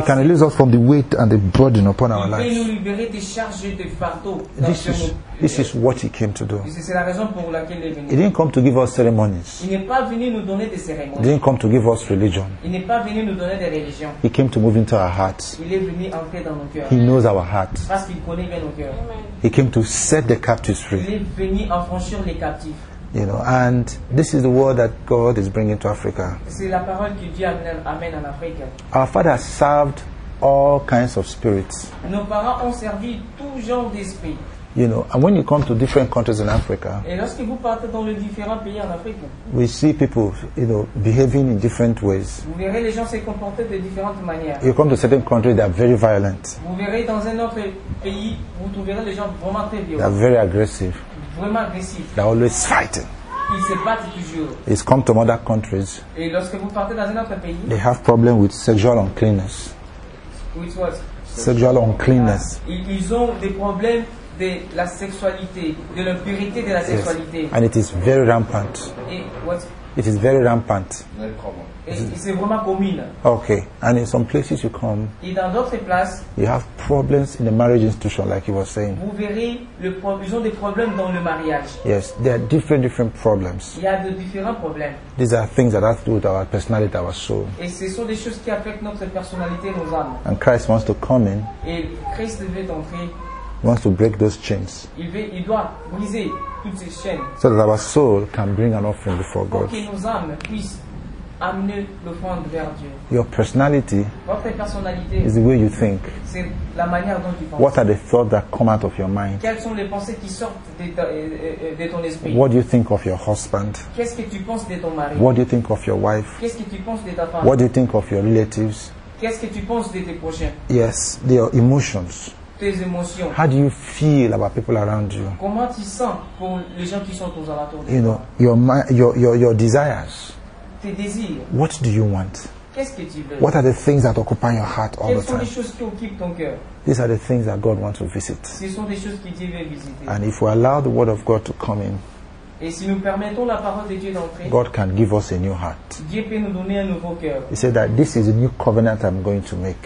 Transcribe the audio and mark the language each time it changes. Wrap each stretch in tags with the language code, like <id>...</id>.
<en>He can release us from the weight and the burden upon our lives.</en> <fr>Il peut nous libérer des charges et des fardeaux.</fr> <en>This is what He came to do.</en> <fr>C'est la raison pour laquelle il est venu.</fr> <en>He didn't come to give us ceremonies.</en> <fr>Il n'est pas venu nous donner des cérémonies.</fr> <en>He didn't come to give us religion.</en> <fr>Il n'est pas venu nous donner des religions.</fr> <en>He came to move into our hearts.</en> <fr>Il est venu entrer dans nos cœurs.</fr> <en>He knows our hearts.</en> <fr>Parce qu'il connaît bien nos cœurs.</fr> <en>He came to set the captives free.</en> <fr>Il est venu affranchir les captifs.</fr> <en>You know, and this is the word that God is bringing to Africa.</en> <fr>C'est la parole que Dieu amène en Afrique.</fr> <en>Our father has served all kinds of spirits.</en> <fr>Nos parents ont servi tout genre d'esprit.</fr> <en>You know, and when you come to different countries in Africa,</en> <fr>et lorsque vous partez dans les différents pays en Afrique,</fr> <en>we see people, you know, behaving in different ways.</en> <fr>Vous verrez les gens se comporter de différentes manières.</fr> <en>You come to certain countries, they are very violent.</en> <fr>Vous verrez dans un autre pays, vous trouverez les gens vraiment très violents.</fr> <en>They are very aggressive. They are always fighting.</en> <fr>Ils se battent toujours.</fr> <en>It's come to other countries.</en> <fr>Et lorsque vous partez dans un autre pays,</fr> <en>they have problem with sexual uncleanness. Which was sexual uncleanness.</en> <fr>Ils ont des problèmes de la sexualité, de l'impurité de la sexualité.</fr> <en>And it is very rampant. Et what? It is very rampant.</en> <fr>C'est vraiment commun.</fr> <en>Okay, and in some places you come.</en> <fr>Et dans d'autres places,</fr> <en>you have problems in the marriage institution, like you were saying.</en> <fr>Vous verrez ils ont des problèmes dans le mariage.</fr> <en>Yes, there are different problems.</en> <fr>Il y a de différents problèmes.</fr> <en>These are things that have to do with our personality, our soul.</en> <fr>Et ce sont des choses qui affectent notre personnalité, nos âmes.</fr> <en>And Christ wants to come in.</en> <fr>Et Christ veut entrer.</fr> <en>He wants to break those chains.</en> <fr>Il doit briser toutes ces chaînes.</fr> <en>So that our soul can bring an offering before God.</en> <fr>Pour que nos âmes puissent amener l'offrande vers Dieu.</fr> <en>Your personality,</en> <fr>votre personnalité,</fr> <en>is the way you think.</en> <fr>C'est la manière dont tu penses.</fr> <en>What are the thoughts that come out of your mind?</en> <fr>Quelles sont les pensées qui sortent de ton esprit?</fr> <en>What do you think of your husband?</en> <fr>Qu'est-ce que tu penses de ton mari?</fr> <en>What do you think of your wife?</en> <fr>Qu'est-ce que tu penses de ta femme?</fr> <en>What do you think of your relatives?</en> <fr>Qu'est-ce que tu penses de tes prochains?</fr> <en>Yes, your emotions.</en> <fr>Tes émotions.</fr> <en>How do you feel about people around you?</en> <fr>Comment tu sens pour les gens qui sont aux alentours de</fr> <en>toi? You know, your desires.</en> <fr>Tes désirs.</fr> <en>What do you want?</en> <fr>qu'est-ce que tu veux?</fr> <en>What are the things that occupy your heart all</en> <fr>Quelles</fr> <en>the time?</en> <fr>Les choses qui occupent ton cœur?</fr> <en>These are the things that God wants to visit.</en> <fr>Ce sont des choses qui Dieu veut visiter.</fr> <en>And if we allow the word of God to come in,</en> <fr>et si nous permettons la parole de Dieu d'entrer,</fr> <en>God can give us a new heart.</en> <fr>Dieu peut nous donner un nouveau cœur.</fr> <en>He said that this is a new covenant I'm going to make.</en>